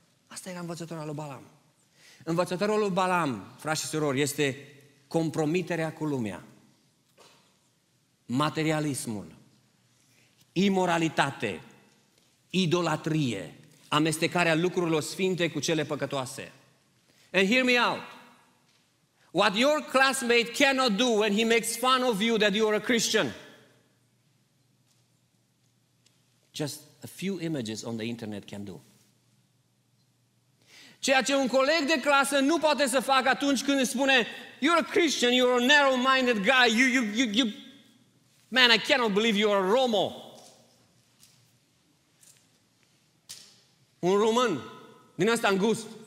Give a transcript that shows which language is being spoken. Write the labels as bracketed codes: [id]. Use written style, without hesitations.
[ro] Asta era învățătura lui Balaam. Învățătorul lui Balaam, frați și surori, este compromiterea cu lumea, materialismul, imoralitate, idolatrie, amestecarea lucrurilor sfinte cu cele păcătoase. [en] And hear me out. What your classmate cannot do when he makes fun of you that you are a Christian. Just a few images on the internet can do. [ro] Ceea ce un coleg de clasă nu poate să facă atunci când îi spune [en] you're a Christian, you're a narrow-minded guy, you man, I cannot believe you're a Romo. [ro] Un român din ăsta îngust.